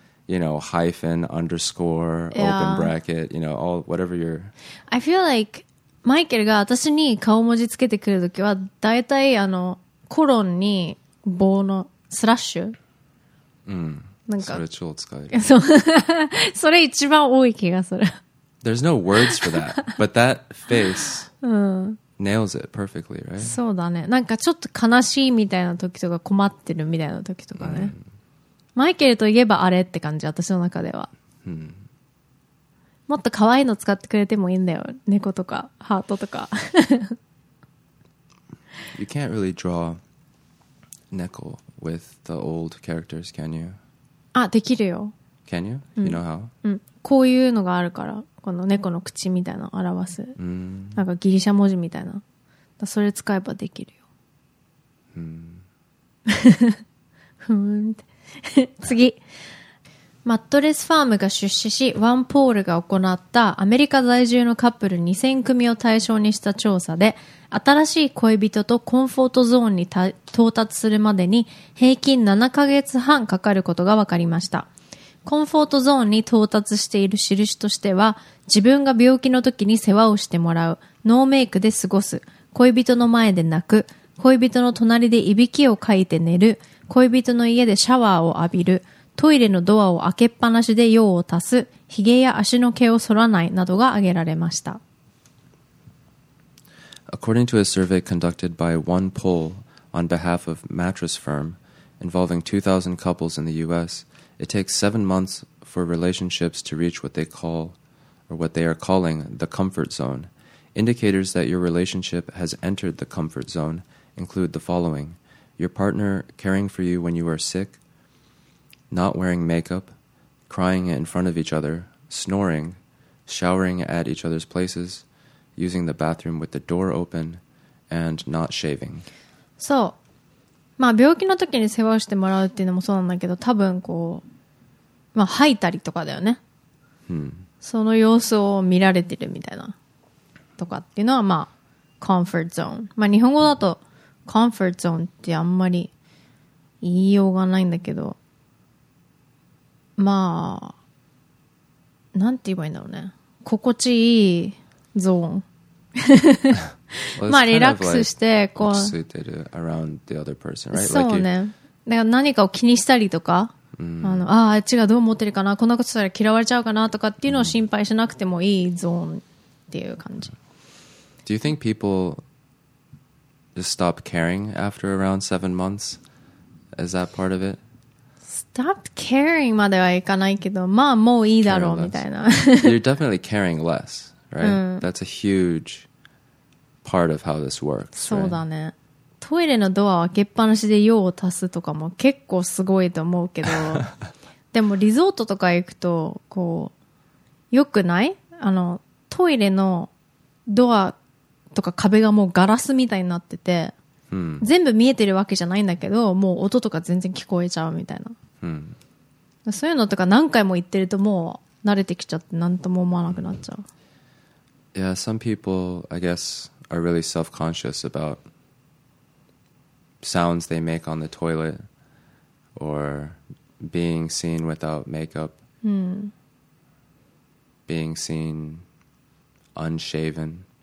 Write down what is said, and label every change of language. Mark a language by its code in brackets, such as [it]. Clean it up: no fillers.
[en] you know, hyphen, underscore, yeah. open bracket, you know, all, whatever your... I feel like [ja] Michael が私に顔文字つけてくるときは、大体あの、コロンに棒のスラッシュ。うん。なんか。それ超使える。そう。それ一番多い気がする。 [en] There's no words for that, but that face nails it perfectly, right? [ja] そうだね。なんかちょっと悲しいみたいな時とか困ってるみたいな時とかね。マイケルといえばあれって感じ、私の中では。もっと可愛いの使ってくれてもいいんだよ。猫とか、ハートとか。 [en] You can't really draw 猫 with the old characters, can you? [ja] あ、できるよ。 [en] Can you? You know how? [ja] うん。こういうのがあるから。この猫の口みたいなのを表す、 mm. なんかギリシャ文字みたいな、だそれ使えばできるよ、mm. 次、マットレスファームが出資しワンポールが行ったアメリカ在住のカップル2000組を対象にした調査で、新しい恋人とコンフォートゾーンに到達するまでに平均7ヶ月半かかることが分かりました。コンフォートゾーンに到達している印としては、自分が病気の時に世話をしてもらう、ノーメイクで過ごす、恋人の前で泣く、恋人の隣でいびきをかいて寝る、恋人の家でシャワーを浴びる、トイレのドアを開けっぱなしで用を足す、ヒゲや足の毛を剃らないなどが挙げられました。 [en] According to a survey conducted by One Poll on behalf of mattress firm involving 2,000 couples in the U.S., It takes 7 months for relationships to reach what they call, or what they are calling, the comfort zone. Indicators that your relationship has entered the comfort zone include the following. Your partner caring for you when you are sick, not wearing makeup, crying in front of each other, snoring, showering at each other's places, using the bathroom with the door open, and not shaving. So... [ja] まあ病気の時に世話をしてもらうっていうのもそうなんだけど、多分こう、まあ吐いたりとかだよね。うん。その様子を見られてるみたいな。とかっていうのはまあ、コンフォートゾーン。まあ日本語だと、コンフォートゾーンってあんまり言いようがないんだけど、まあ、なんて言えばいいんだろうね。心地いいゾーン。 [en] Well, [ja] まあリラックスして、こう。落ち着いてる [en] around the other person, right? [ja] そうね。だから何かを気にしたりとか、 mm. あの、ああ、違う、どう思ってるかな、こんなことしたら嫌われちゃうかなとかっていうのを心配しなくてもいいゾーンっていう感じ。 [en] Do you think people just stop caring after around 7 months? Is that part of it? Stop caring [ja] まではいかないけど、まあもういいだろうみたいな。 [en] You're definitely caring less, right? That's a hugepart of how this works. [ja] そうだね。トイレのドアを開けっぱなしで用を足すとかも結構すごいと思うけど、でもリゾートとか行くとこう良くない？あのトイレのドアとか壁がもうガラスみたいになってて、全部見えてるわけじゃないんだけど、もう音とか全然聞こえちゃうみたいな。そういうのとか何回も行ってるともう慣れてきちゃって何とも思わなくなっちゃう。 [en] Yeah, some people, I guess. Are really self-conscious about sounds they make on the toilet or being seen without makeup, being seen unshaven.